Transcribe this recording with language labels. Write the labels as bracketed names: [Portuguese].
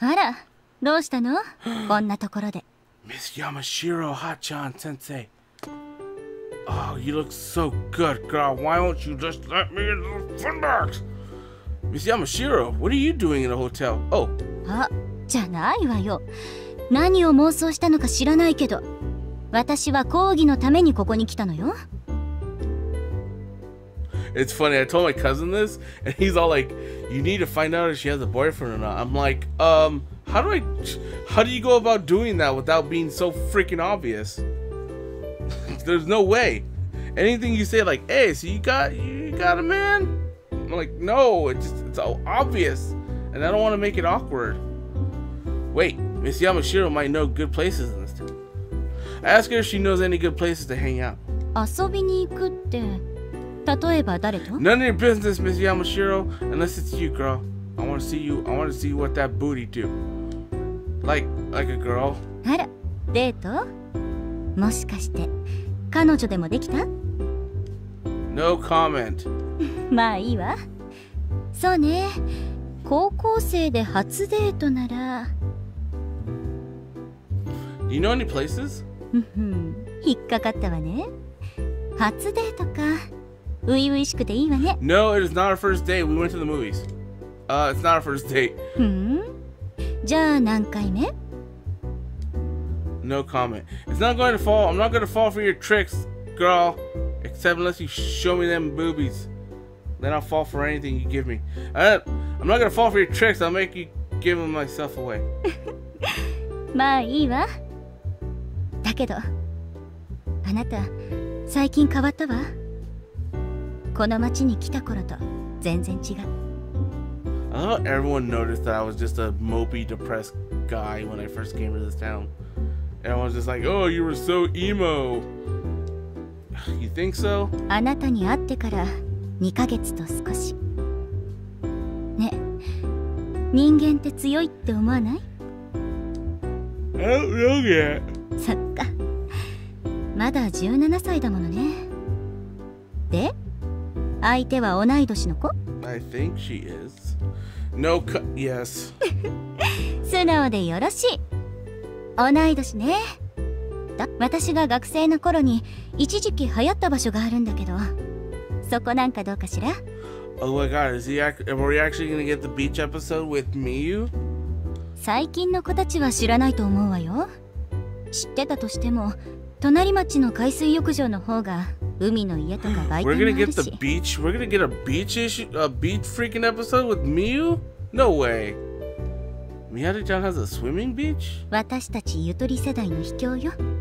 [Japanese] Ara, どうしたの?こんなところで。 [English] Miss Yamashiro Hachan Sensei. Oh, you look so good, girl. Why won't you just let me in the fun box? Miss Yamashiro, what are you doing in a hotel? Oh. [Japanese] あ、じゃないわよ。何を妄想したのか知らないけど、私は講義のためにここに来たのよ。 [English] It's funny, I told my cousin this, and he's all like, you need to find out if she has a boyfriend or not. I'm like, how do you go about doing that without being so freaking obvious? There's no way. Anything you say like, hey, so you got a man? I'm like, no, it's so obvious, and I don't want to make it awkward. Wait, Miss Yamashiro might know good places in this town. Ask her if she knows any good places to hang out. [Japanese] 遊びに行くって… [English] None of your business, Miss Yamashiro, unless it's you, girl. I want to see what that booty do. Like a girl. [Japanese] あら、デート? もしかして、彼女でもできた? [English] No comment. [Japanese] まあいいわ。そうね、高校生で初デートなら。 [English] Do you know any places? [Japanese] 引っかかったわね。初デートか。ういういしくていいわね。 [English] No, it is not our first date. We went to the movies. It's not our first date. [Japanese] じゃあ何回目? [English] No comment. It's not going to fall. I'm not going to fall for your tricks, girl. Except unless you show me them boobies. Then I'll fall for anything you give me. I'm not going to fall for your tricks. I'll make you give them myself away. [Japanese] まあいいわ。だけど、あなた、最近変わったわ。この町に来た頃と全然違う。 [English] I thought everyone noticed that I was just a mopey, depressed guy when I first came to this town. Everyone's just like, oh, you were so emo. You think so? [Japanese] あなたに会ってから2ヶ月と少し。ね、人間って強いって思わない? [English] I don't know yet. [Japanese] そっか。まだ17歳だものね。で? 相手は同い年の子? [English] I think she is. No, yes. [Japanese] 素直でよろしい。同い年ね。私が学生の頃に一時期流行った場所があるんだけど、そこなんかどうかしら? [English] Oh my god, are we actually gonna get the beach episode with Miu? [Japanese] 最近の子たちは知らないと思うわよ。知ってたとしても、隣町の海水浴場の方が海の家とか売店もあるし。 [English] We're gonna get a beach issue, a beach freaking episode with Miu? No way. Miyari-chan has a swimming beach? [Japanese] 私たちゆとり世代の秘境よ。